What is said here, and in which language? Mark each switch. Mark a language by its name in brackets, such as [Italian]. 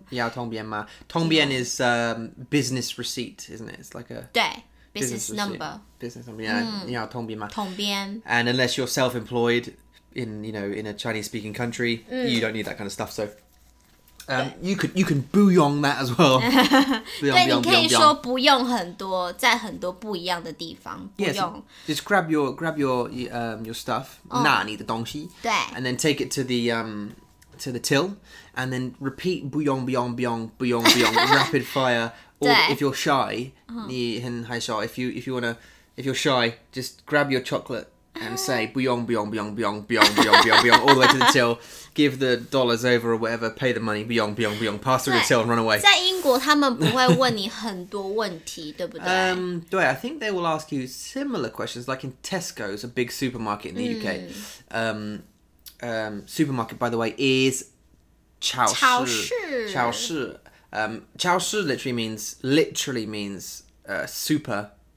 [Chinese] 要通边吗通边 [English] is business receipt isn't it It's like a [Chinese] 对 [English] business number yeah,、 [Chinese] 要通边吗通边 [English] And unless you're self-employed in, you know, in a Chinese speaking country、you don't need that kind of stuff SoYou can [Chinese] 不用 [English] that as well. [Chinese] 对，你可以说不用很多，在很多不一样的地方。 [English] Yes, just grab your your stuff. [Chinese] 拿你的东西。对。 [English] And then take it to the till, and then repeat [Chinese] 不用不用不用不用不用 [English] rapid fire. Or if you're shy, [Chinese] 你很害羞。 [English] If you're shy, just grab your chocolate. And say, [Chinese] "Buyong, buyong, buyong, buyong, [English] buyong, buyong, buyong, buyong," all the way to the till. Give the dollars over or whatever. Pay the money. [Chinese] Buyong, buyong, buyong. [English] Pass through the till and run away. [Chinese] 在英国，他们不会问你很多问题，对不对？对 [English] I think they will ask you similar questions, like in Tesco's, a big supermarket in the UK. Supermarket, by the way, is [Chinese] 超市 [English] literally means super.